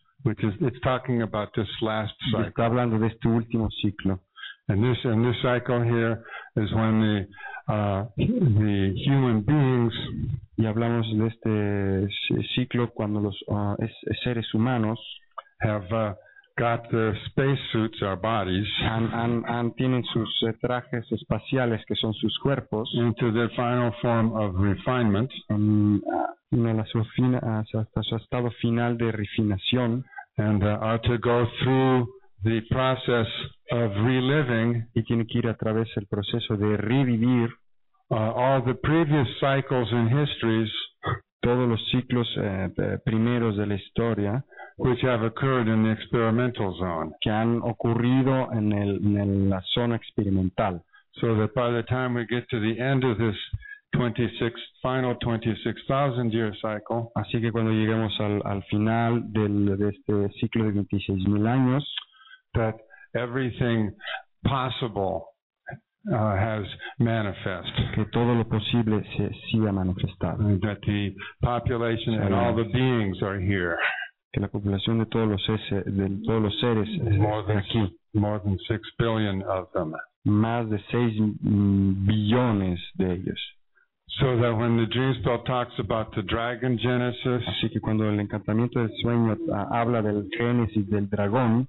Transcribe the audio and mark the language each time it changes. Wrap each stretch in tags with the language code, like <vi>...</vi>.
<en>Which is it's talking about this last cycle.</en> <es>Está hablando de este último ciclo.</es> <en>And this cycle here is when the human beings.</en> <es>Y hablamos de este ciclo cuando los seres humanos</es> <en>have got their spacesuits, our bodies,</en> <es>and tienen sus trajes espaciales que son sus cuerpos,</es> <en>into their final form of refinement,</en> <es>hasta su estado final de refinación,</es> <en>and are to go through the process of reliving,</en> <es>y tienen que ir a través del proceso de revivir,</es> <en>all the previous cycles and histories,</en> <es>todos los ciclos primeros de la historia,</es> <en>which have occurred in the experimental zone,</en> <es>que han ocurrido en la zona experimental.</es> <en>So that by the time we get to the end of this 26,000 year cycle,</en> <es>así que cuando lleguemos al final de este ciclo de 26,000 años,</es> <en>that everything possible has manifest,</en> <es>que todo lo posible se ha manifestado,</es> <en>and that the population and all the beings are here.</en> <es>Que la población de todos los seres está aquí.</es> <en>More than 6 billion of them.</en> <es>Más de 6 billones de ellos.</es> <en>So that when the dream spell talks about the dragon Genesis,</en> <es>así que cuando el encantamiento del sueño habla del génesis del dragón,</es>